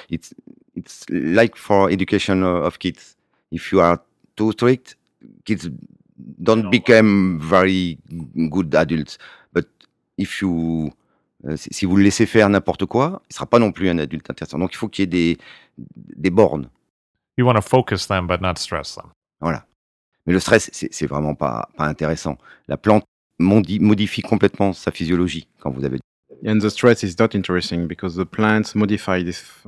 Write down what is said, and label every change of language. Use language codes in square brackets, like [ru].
[en] It's like for education of kids. If you are too strict, kids don't become very good adults. But if you [fr] si vous le laissez faire n'importe quoi, il ne sera pas non plus un adulte intéressant. Donc il faut qu'il y ait des bornes. [en] You want to focus them, but not stress them. [fr] Voilà. Mais le stress, c'est vraiment pas intéressant. La plante modifie complètement sa physiologie, quand vous avez dit. [en] And the stress is not interesting, because the plants modify this.